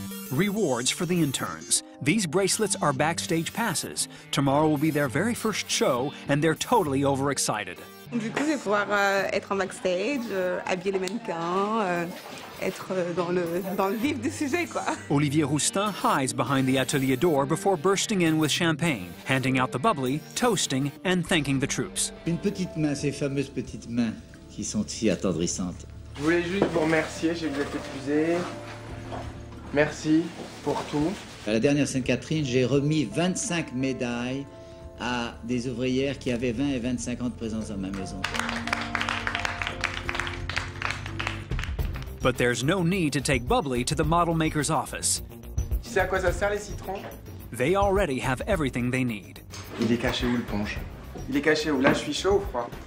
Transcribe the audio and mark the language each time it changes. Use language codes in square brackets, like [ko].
[en] Rewards for the interns. These bracelets are backstage passes. Tomorrow will be their very first show, and they're totally overexcited. [fr] Du coup, je vais pouvoir être en backstage, habiller les mannequins, être dans le vif du sujet, quoi. [en] Olivier Roustin hides behind the atelier door before bursting in with champagne, handing out the bubbly, toasting, and thanking the troops. [fr] Une petite main, ces fameuses petites mains qui sont si attendrissantes. Je voulais juste vous remercier, je vous ai fait plaisir. Merci pour tout. À la dernière Sainte-Catherine, j'ai remis 25 médailles à des ouvrières qui avaient 20 et 25 ans de présence dans ma maison. [en] But there's no need to take bubbly to the model maker's office. [fr] Tu sais à quoi ça sert les citrons? [en] They already have everything they need. [fr] Il est caché où le punch? Il est caché où? Là, je suis chaud ou froid?